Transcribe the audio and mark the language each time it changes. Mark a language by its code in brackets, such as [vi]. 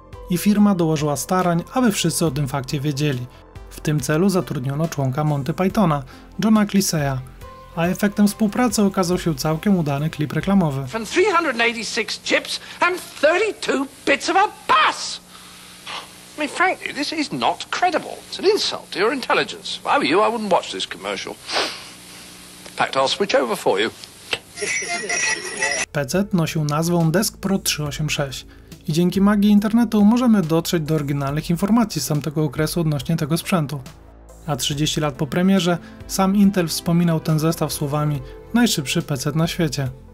[pl] I firma dołożyła starań, aby wszyscy o tym fakcie wiedzieli. W tym celu zatrudniono członka Monty Pythona, Johna Cleese'a. A efektem współpracy okazał się całkiem udany klip reklamowy. [en] From 386 chips and 32 bits of a bus! I mean, frankly, this is not credible. It's an insult to your intelligence. If I were you, I wouldn't watch this commercial. In fact, I'll switch over for you. [pl] PC nosił nazwą Desk Pro 386. I dzięki magii internetu możemy dotrzeć do oryginalnych informacji z tamtego okresu odnośnie tego sprzętu. a 30 lat po premierze sam Intel wspominał ten zestaw słowami najszybszy PC na świecie.